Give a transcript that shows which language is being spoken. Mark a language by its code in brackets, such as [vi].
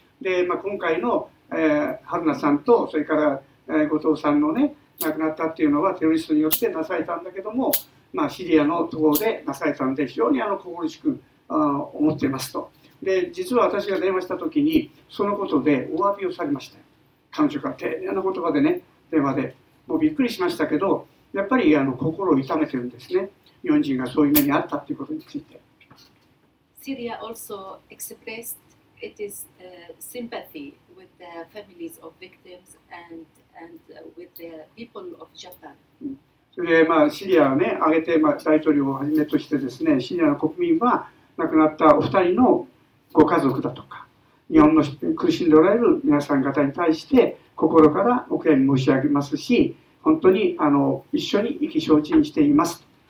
[ja] で、今回の春菜さんと、それから後藤さんのね、亡くなったっていうのはテロリストによってなされたんだけども、シリアの党でなされたんで、非常に心しく思っていますと。で、実は私が電話したときに、そのことでお詫びをされました。彼女から丁寧な言葉でね、電話で。もうびっくりしましたけど、やっぱり心を痛めてるんですね。日本人がそういう目にあったということについて。 [en] Syria also expressed its sympathy with the families of victims and with the people of Japan. [ja] それで、シリアをね、挙げて、大統領をはじめとしてですね、シリアの国民は亡くなったお二人のご家族だとか、日本の苦しんでおられる皆さん方に対して心からお悔やみ申し上げますし、本当に一緒に意気消沈しています。